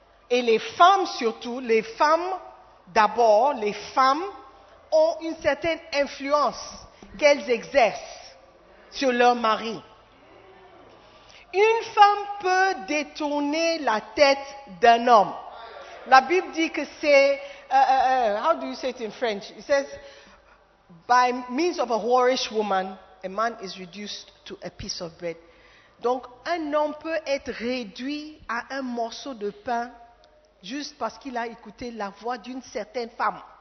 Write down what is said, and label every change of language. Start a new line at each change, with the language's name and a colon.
French: Et les femmes surtout, les femmes d'abord, les femmes ont une certaine influence. qu'elles exercent sur leur mari. Une femme peut détourner la tête d'un homme. La Bible dit que c'est
English: how do you say it in French? It says by means of a whorish woman, a man is reduced to a piece of bread.
French: Donc un homme peut être réduit à un morceau de pain juste parce qu'il a écouté la voix d'une certaine femme.